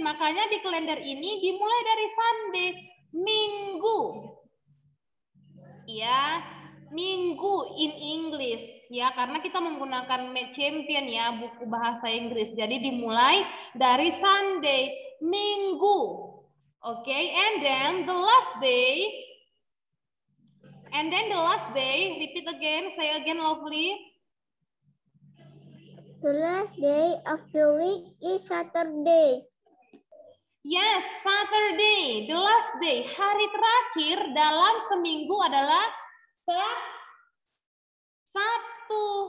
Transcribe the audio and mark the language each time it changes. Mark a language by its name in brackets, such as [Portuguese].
[Indonesian] Makanya di kalender ini dimulai dari Sunday. Minggu. Ya. Minggu in English. Ya, karena kita menggunakan Mad Champion ya, buku bahasa Inggris. Jadi dimulai dari Sunday. Minggu. [English] Okay, and then the last day, repeat again, say again lovely. The last day of the week is Saturday. Yes, Saturday. The last day. [Indonesian] Hari terakhir dalam seminggu adalah Sabtu.